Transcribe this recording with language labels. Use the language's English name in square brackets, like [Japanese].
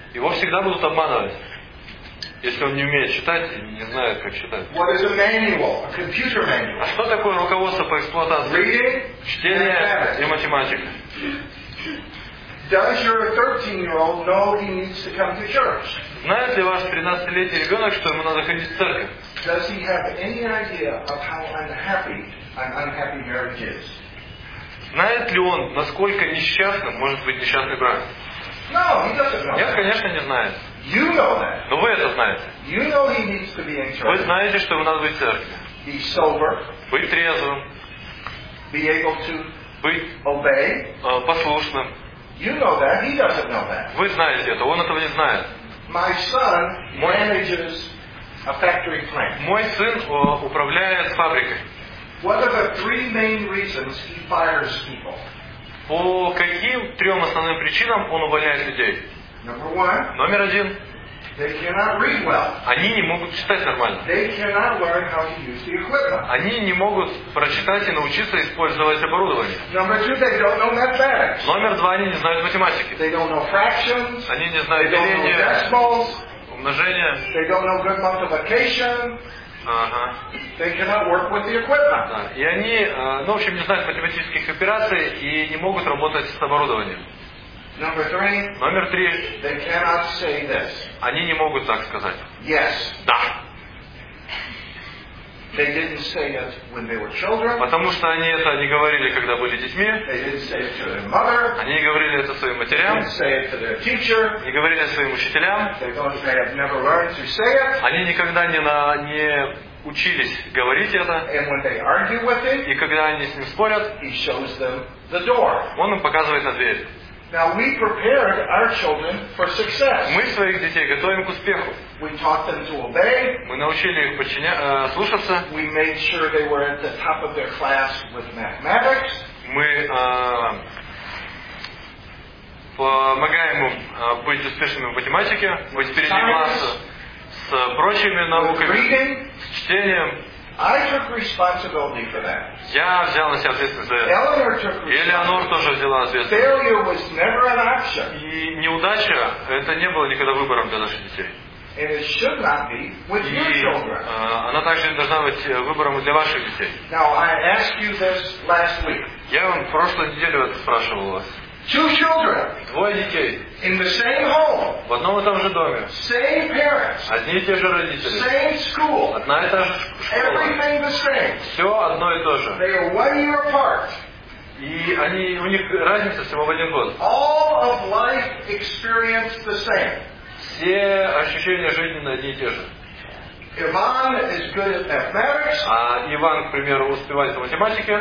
[Russian] Его всегда будут обманывать, если он не умеет читать и не знает, как читать. [English] What is a manual, a computer manual? [Russian] А что такое руководство по эксплуатации? [English] Reading, [Russian] чтение [English] mathematics. [Russian] И математика. [English] Does your 13-year-old know he needs to come to church? [Russian] Знает ли ваш 13-летний ребенок, что ему надо ходить в церковь? [English] Does he have any idea of how unhappy an unhappy marriage is? [Russian] Знает ли он, насколько несчастным может быть несчастный брак? [English] No, he doesn't know. [Russian] Нет, конечно, не знает. [English] You know that. [Russian] Но вы это знаете. [English] You know he needs to be in church. [Russian] Вы знаете, что ему надо быть в церкви. [English] Be sober. [Russian] Быть трезвым. [English] Be able to. [Russian] Быть [English] obey. [Russian] Послушным. [English] You know that. He doesn't know that. [Russian] Вы знаете это. Он этого не знает. [English] My son manages. A factory plant. [Russian] Мой сын управляет фабрикой. [English] What are the three main reasons he fires people? [Russian] По каким трем основным причинам он увольняет людей? [English] Number one. [Russian] Номер один. [English] They cannot read well. [Russian] Они не могут читать нормально. [English] They cannot learn how to use the equipment. [Russian] Они не могут прочитать и научиться использовать оборудование. [English] Number two, they don't know mathematics. [Russian] Номер два, они не знают математики. [English] They don't know fractions. [Russian] Они не знают деления. [English] They don't know decimals. [Russian] Умножение. [English] They don't know good multiplication. They cannot work with the equipment. [Russian] Да. И они, в общем, не знают математических операций и не могут работать с оборудованием. [English] Number three. [Russian] Номер три. [English] They cannot say this. [Russian] Они не могут так сказать. [English] Yes. [Russian] Да. [English] They didn't say it when they were children. [Russian] Потому что они это не говорили, когда были детьми. [English] They didn't say it to their mother. [Russian] Они не говорили это своим матерям. [English] They didn't say it to their teacher. [Russian] Не говорили своим учителям. [English] They have never learned to say it. [Russian] Они никогда не учились говорить это. [English] And when they argue with him, [Russian] и когда они с ним спорят, [English] he shows them the door. [Russian] Он им показывает на дверь. [English] Now we prepared our children for success. [Russian] Мы своих детей готовим к успеху. [English] We taught them to obey. [Russian] Мы научили их слушаться. [English] We made sure they were at the top of their class with mathematics. [Russian] Мы помогаем им быть успешными в математике, быть впереди класса с прочими науками, с чтением. [English] I took responsibility for that. [Russian] Я взял на себя ответственность за это. [English] Eleanor took responsibility. [Russian] Eleanor тоже взяла ответственность. [English] Failure was never an option. [Russian] И неудача это не было никогда выбором для наших детей. [English] And it should not be with your children. [Russian] Она также не должна быть выбором для ваших детей. [English] Now I asked you this last week. [Russian] Я вам в прошлую неделю это спрашивал вас. [English] Two children. [Russian] Двое детей. [English] In the same home. [Russian] В одном и том же доме. [English] Same parents. [Russian] Одни и те же родители. [English] Same school. [Russian] Одна и та же школа. [English] Everything the same. [Russian] Все одно и то же. [English] They are 1 year apart. [Russian] И у них разница всего в один год. [English] All of life experience the same. [Russian] Все ощущения жизни одни и те же. [English] Ivan is good at mathematics. [Russian] А Иван, к примеру, успевает в математике.